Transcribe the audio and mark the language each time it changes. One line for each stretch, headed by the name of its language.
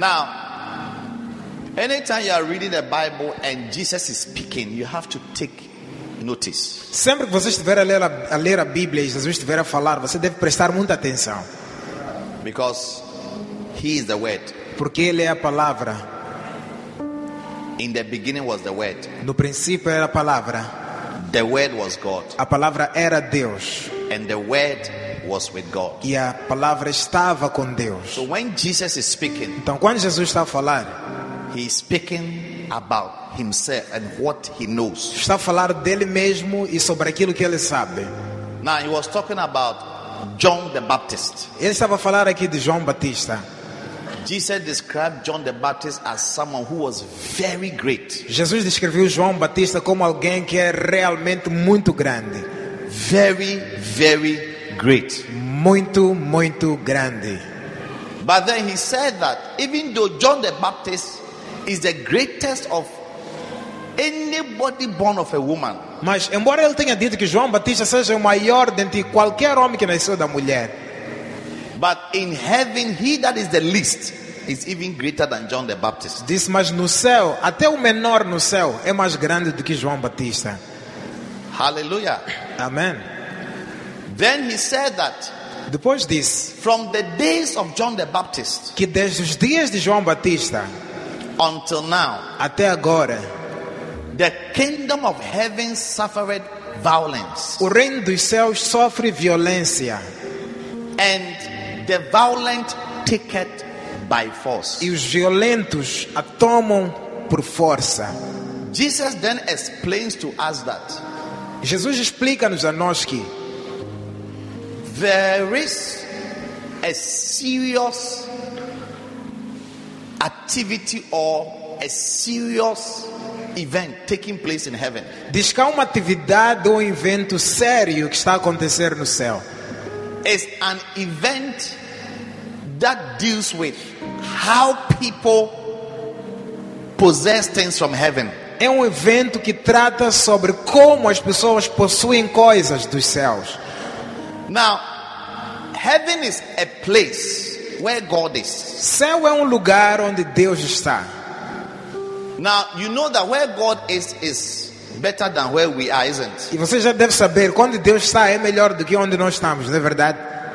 English: Now, anytime you are reading the Bible and Jesus is speaking, you have to take notice.
Portuguese: Sempre que você estiver a ler a Bíblia e Jesus estiver a falar, você deve prestar muita atenção.
English: Because He is the Word.
Portuguese: Porque Ele é a palavra.
English: In the beginning was the Word.
Portuguese: No princípio era a palavra.
English: The Word was God.
Portuguese: A palavra era Deus.
English: And the Word was with God.
Portuguese: E a palavra estava com Deus.
English: So when Jesus is speaking,
Portuguese: então quando Jesus está a falar,
English: He is speaking about Himself and what He knows.
Portuguese: Está a falar dele mesmo e sobre aquilo que ele sabe.
English: Now he was talking about John the Baptist.
Portuguese: Ele estava a falar aqui de João Batista.
English: Jesus described John the Baptist as someone who was very great.
Portuguese: Jesus descreveu João Batista como alguém que é realmente muito grande.
English: Very, very great.
Portuguese: Muito, muito grande.
English: But then he said that even though John the Baptist is the greatest of anybody born of a woman.
Portuguese: Mas embora ele tenha dito que João Batista seja o maior dentre qualquer homem que nasceu da mulher,
English: but in heaven he that is the least is even greater than John the Baptist.
Portuguese: Diz, mas no céu até o menor no céu é mais grande do que João Batista. Hallelujah. Amen.
English: Then he said that.
Portuguese: Depois diz,
English: from the days of John the Baptist,
Portuguese: que desde os dias de João Batista,
English: until now,
Portuguese: até agora,
English: the kingdom of heaven suffered violence.
Portuguese: O reino dos céus sofre violência.
English: And the violent take it by force.
Portuguese: E os violentos a tomam por força.
English: Jesus then explains to us that.
Portuguese: Jesus explica-nos a nós que
English: there is a serious activity or a serious event taking place in heaven.
Portuguese: Diz que há uma atividade ou evento sério que está a acontecer no céu.
English: It's an event that deals with how people possess things from heaven.
Portuguese: É evento que trata sobre como as pessoas possuem coisas dos céus.
English: Now, heaven is a place where God is.
Portuguese: Céu é lugar onde Deus está.
English: Now, you know that where God is better than where we are, isn't it?
Portuguese: E você já deve saber, quando Deus está é melhor do que onde nós estamos, não é verdade?